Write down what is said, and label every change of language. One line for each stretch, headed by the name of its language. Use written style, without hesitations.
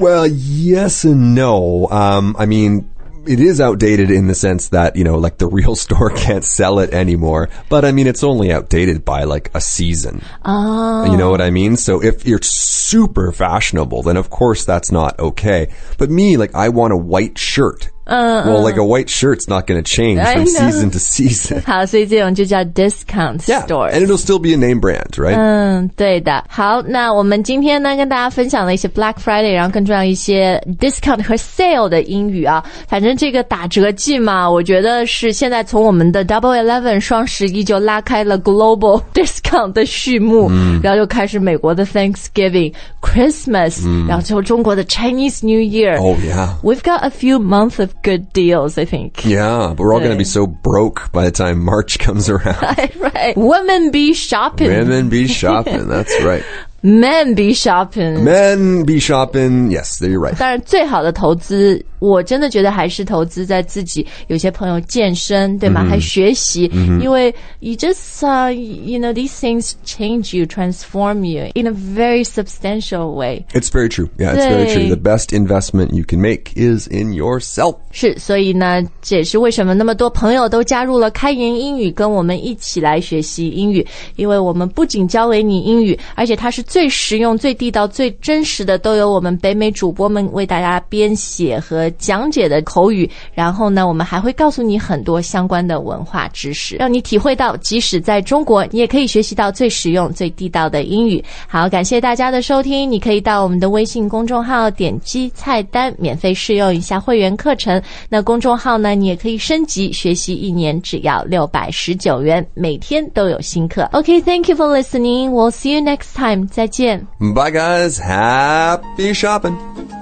English: Well, yes and no. I mean, it is outdated in the sense that, you know, like the real store can't sell it anymore. But I mean, it's only outdated by like a season. You know what I mean? So if you're super fashionable, then of course that's not okay. But me, like, I want a white shirt. Well, like a white shirt's not going to change from season to season.
Chinese: 好，所以这种就叫 discount stores.
English: Yeah, and it'll still be a name brand, right?
Chinese: 对的。好，那我们今天呢跟大家分享了一些 Black Friday, 然后更重要一些 discount 和 sale 的英语啊。反正这个打折季嘛，我觉得是现在从我们的 Double Eleven 双十一就拉开了 global discount 的序幕、嗯、然后就开始美国的 Thanksgiving, Christmas,、嗯、然后最后中国的 Chinese New Year.
English: Oh, yeah. We've got a few months of good deals, I think. Yeah, but we're all going to be so broke by the time March comes around. Right. Women be shopping. Women be shopping, that's right. Men be shopping. Men be shopping. Yes, you're right.
Chinese: 当然最好的投资我真的觉得还是投资在自己有些朋友健身对吗、 mm-hmm. 还学习、 mm-hmm.
English: 因为 you just, you know, these things change you, transform you in a very substantial way. It's very true. Yeah, it's very true. The best investment you can make is in yourself.
Chinese: 是所以呢这也是为什么那么多朋友都加入了开言英语跟我们一起来学习英语因为我们不仅教给你英语而且它是最实用最地道最真实的都由我们北美主播们为大家编写和讲解的口语然后呢我们还会告诉你很多相关的文化知识让你体会到即使在中国你也可以学习到最实用最地道的英语好感谢大家的收听你可以到我们的微信公众号点击菜单免费试用一下会员课程那公众号呢你也可以升级学习一年只要619元每天都有新课
English: OK thank you for listening we'll see you next time
Chinese: 再见
English: Bye guys happy shopping